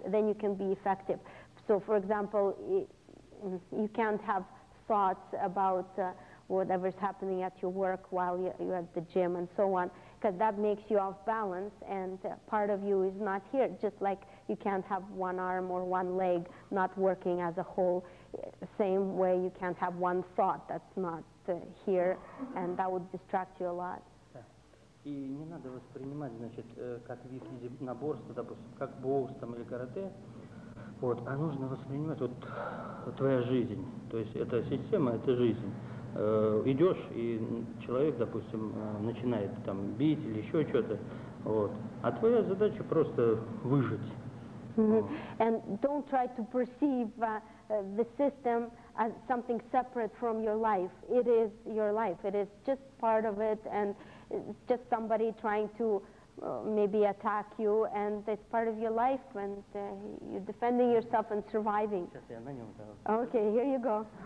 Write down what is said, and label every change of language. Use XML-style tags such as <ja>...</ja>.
<en>Then you can be effective. So, for example, you can't have thoughts about whatever's happening at your work while you're at the gym and so on. Because that makes you off balance, and part of you is not here, just like you can't have one arm or one leg not working as a whole. Same way you can't have one thought that's not here, and that would distract you a lot.</en> <ru>И не надо воспринимать, значит, как вид единоборства, допустим, как бокс там или карате. Вот, а нужно воспринимать вот твоя жизнь. То есть это система, это жизнь. Идешь, и человек, допустим, начинает там бить или еще что-то, вот. А твоя задача просто выжить. Mm-hmm.</ru> <en>And don't try to perceive the system as something separate from your life. It is your life. It is just part of it, and it's just somebody trying to maybe attack you, and it's part of your life, and you're defending yourself and surviving. Okay, here you go.</en>